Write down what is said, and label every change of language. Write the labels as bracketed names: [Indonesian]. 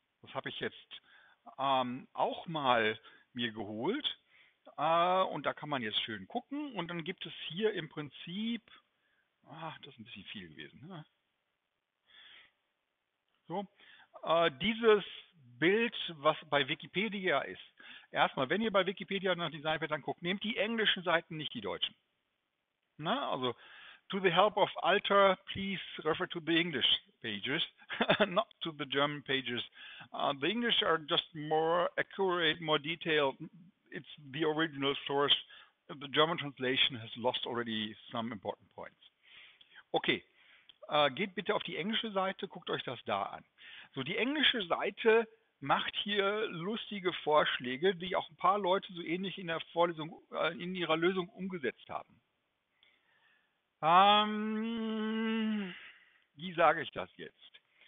[German] Das habe ich jetzt auch mal mir geholt und da kann man jetzt schön gucken und dann gibt es hier im Prinzip, das ist ein bisschen viel gewesen, ne? So, dieses Bild, was bei Wikipedia ist. Erstmal, wenn ihr bei Wikipedia nach Design Pattern guckt, nehmt die englischen Seiten, nicht die deutschen. [English] Na, also, to the help of Alter, please refer to the English pages, not to the German pages. The English are just more accurate, more detailed. It's the original source. The German translation has lost already some important points. Okay. [German] Geht bitte auf die englische Seite, guckt euch das da an. So, die englische Seite macht hier lustige Vorschläge, die auch ein paar Leute so ähnlich in der Vorlesung, in ihrer Lösung umgesetzt haben. Wie sage ich das jetzt?